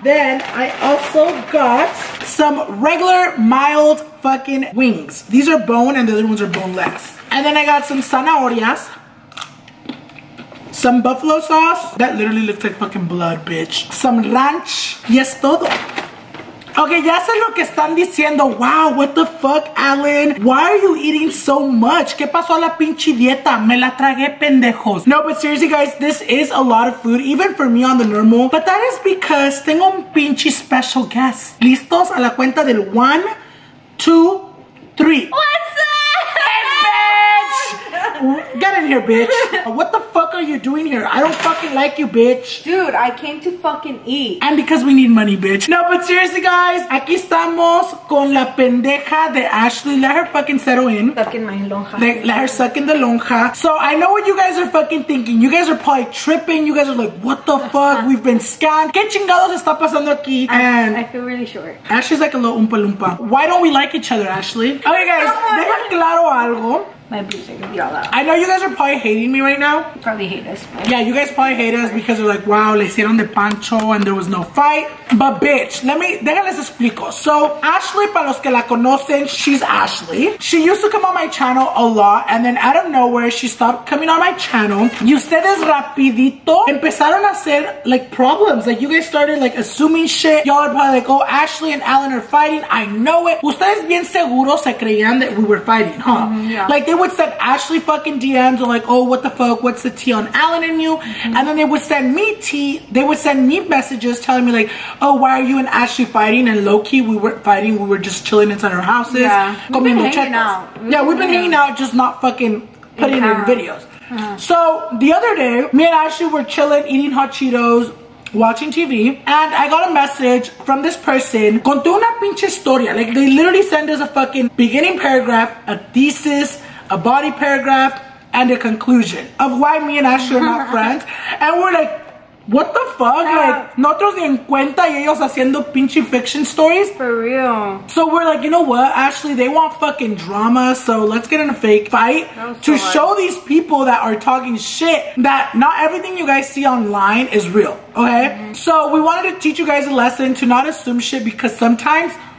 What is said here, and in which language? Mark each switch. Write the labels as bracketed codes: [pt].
[en] Then I also got some regular mild fucking wings. These are bone and the other ones are boneless. And then I got some zanahorias. Some buffalo sauce. That literally looks like fucking blood, bitch. Some ranch. [es] Y es todo. Okay, ya sé lo que están diciendo. [en] Wow, what the fuck, Alan? Why are you eating so much? [es] ¿Qué pasó a la pinche dieta? Me la tragué, pendejos. [en] No, but seriously, guys, this is a lot of food, even for me on the normal. But that is because [es] tengo un pinche [en] special guest. [es] ¿Listos? A la cuenta del 1, 2, 3. [en] What's up? Hey, bitch! Get in here, bitch. What the fuck are you doing here? I don't fucking like you, bitch. Dude, I came to fucking eat. And because we need money, bitch. No, but seriously, guys, [es] aquí estamos con la pendeja de Ashley. [en] Let her fucking settle in. Suck in my lonja. Let her suck in the lonja. So I know what you guys are fucking thinking. You guys are probably tripping. You guys are like, what the fuck? We've been scammed. [es] ¿Qué chingados está pasando aquí? [en] And I feel really short. Ashley's like a little oompa loompa. Why don't we like each other, Ashley? Okay, guys, [es] deja claro algo. [en] I know you guys are probably hating me right now. Probably hate us. Yeah, you guys probably hate us because they're like, wow, [es] le hicieron de pancho [en] and there was no fight. But bitch, [es] déjales explico. [en] So Ashley, [es] para los que la conocen, [en] she's Ashley. She used to come on my channel a lot, and then out of nowhere, she stopped coming on my channel. [es] Y ustedes rapidito empezaron a hacer [en] like problems. Like, you guys started like assuming shit. Y'all are probably like, oh, Ashley and Alan are fighting. I know it. [es] Ustedes bien seguro se creían [en] that we were fighting, huh? Mm-hmm, yeah. Like, they would send Ashley fucking DMs or like, oh, what the fuck? What's the tea on Alan and you? Mm-hmm. And then they would send me tea. They would send me messages telling me like, oh, why are you and Ashley fighting? And low-key, we weren't fighting. We were just chilling inside our houses. Yeah. We've been hanging out. Yeah, we've been hanging out, just not fucking putting in videos. Uh-huh. So the other day, me and Ashley were chilling, eating hot Cheetos, watching TV, and I got a message from this person. [es] Contó una pinche historia. [en] Like, they literally send us a fucking beginning paragraph, a thesis, a body paragraph, and a conclusion of why me and Ashley are not friends. And we're like, what the fuck? Yeah. [es] Like, nosotros ni en cuenta y ellos haciendo pinche [en] fiction stories. For real. So we're like, you know what, Ashley, they want fucking drama, so let's get in a fake fight to show these people that are talking shit that not everything you guys see online is real, okay? Mm-hmm. So we wanted to teach you guys a lesson to not assume shit, because sometimes